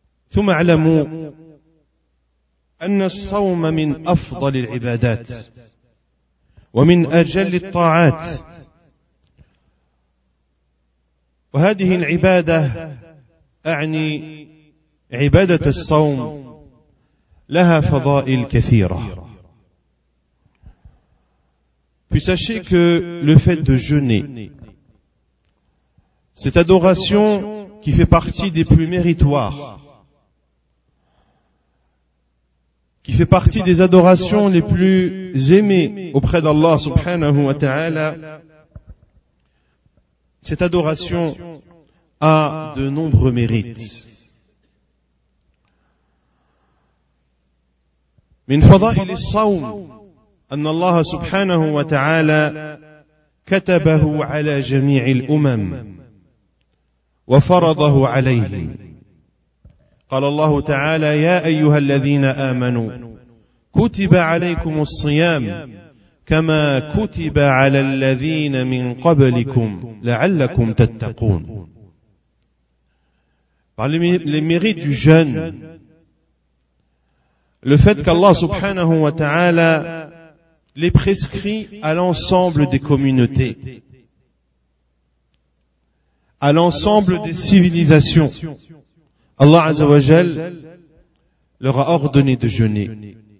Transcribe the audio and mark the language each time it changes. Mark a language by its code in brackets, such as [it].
[ar] ثم اعلموا ان الصوم من افضل العبادات ومن اجل الطاعات وهذه العباده اعني عباده الصوم لها فضائل كثيره. [fr] Puis sachez que le fait de jeûner, cette adoration qui fait partie des plus méritoires, qui fait partie des adorations les plus aimées auprès d'Allah subhanahu wa ta'ala, cette adoration a de nombreux mérites. [ar] من فضائل الصوم أن الله سبحانه وتعالى كتبه على جميع الأمم وفرضه عليهم. قال الله تعالى يا أيها الذين آمنوا كتب عليكم الصيام كما كتب على الذين من قبلكم لعلكم تتقون. [fr] Les mérites du jeûne, le fait qu'Allah subhanahu wa ta'ala les prescrit à l'ensemble des communautés, à l'ensemble des civilisations, Allah Azza wa Jal leur a ordonné de jeûner.